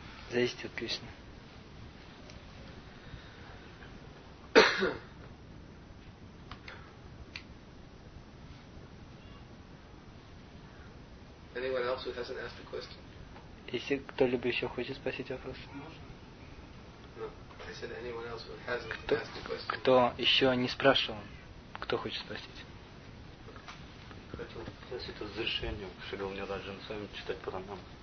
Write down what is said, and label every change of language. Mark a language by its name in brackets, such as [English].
[Russian] Зависеть от Кришны. [English] Anyone else who hasn't asked a question? [Russian] Если кто-либо еще хочет спросить вопрос? [English] No, I said anyone else who hasn't asked a question. [Russian] Кто еще не спрашивал? Кто хочет спросить? Хотел спросить разрешение, чтобы у меня даже с вами читать пранам.